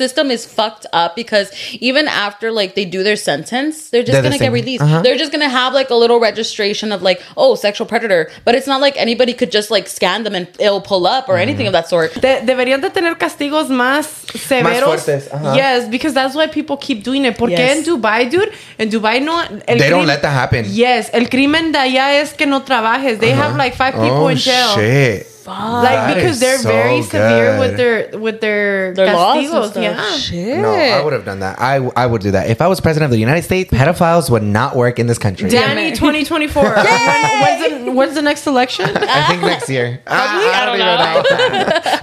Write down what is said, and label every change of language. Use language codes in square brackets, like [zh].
[en] The system is fucked up, because even after, like, they do their sentence, they're just going to get released. Uh-huh. They're just going to have like a little registration of like, oh, sexual predator. But it's not like anybody could just like scan them and it'll pull up or anything of that sort. [es] Deberían de tener castigos más severos. Más fuertes, uh-huh. [en] Yes, because that's why people keep doing it. [es] Porque en Dubai, [en] dude, in Dubai, [es] no. [en] They don't let that happen. [es] Yes, el crimen de allá es que no trabajes. [en] They have like 5 people in jail. Shit. Fuck. Like, because they're so very severe with their castigos. Yeah. Shit. No, I would have done that. I would do that. If I was president of the United States, pedophiles would not work in this country. Danny, 2024. Yay! When's the next election? I think next year. I don't even know.